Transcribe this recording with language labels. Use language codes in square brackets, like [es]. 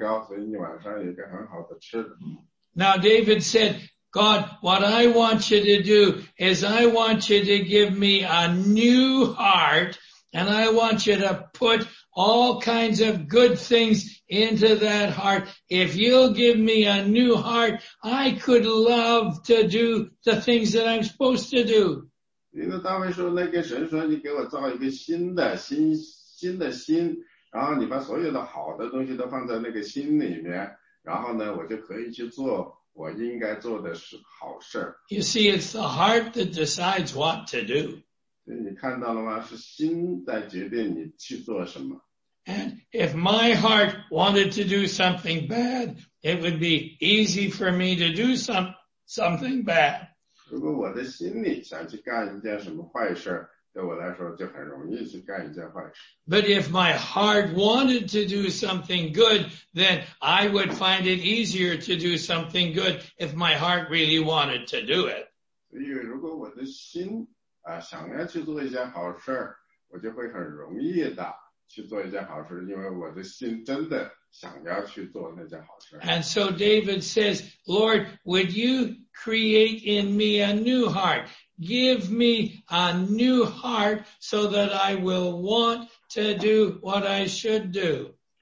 [zh] 所以说你去找你的妈妈，你妈妈正在做一个东西。你说你在造什么了？她说我今天要做一个蛋糕，我带来了很多很多其他的材料，我要做一个很美味的蛋糕，所以你晚上有一个很好的吃的。 [en] Now David said, "God, what I want you to do is I want you to give me a new heart and I want you to put all kinds of good things into that heart. If you'll give me a new heart, I could love to do the things that I'm supposed to do." [zh] 因为大卫说那个神说你给我造一个新的心，然后你把所有的好的东西都放在那个心里面，然后呢，我就可以去做。 [en] You see, it's the heart that decides what to do. [zh] 你看到了吗?是心在决定你去做什么。 [en] And if my heart wanted to do something bad, it would be easy for me to do something bad. [zh] 如果我的心里想去干一件什么坏事, 对我来说就很容易去干一件坏事。 [en] But if my heart wanted to do something good, then I would find it easier to do something good if my heart really wanted to do it. [zh] 所以如果我的心想要去做一件好事，我就会很容易的去做一件好事，因为我的心真的想要去做那件好事。 [en] And so David says, "Lord, would you create in me a new heart? Give me a new heart so that I will want to do what I should do."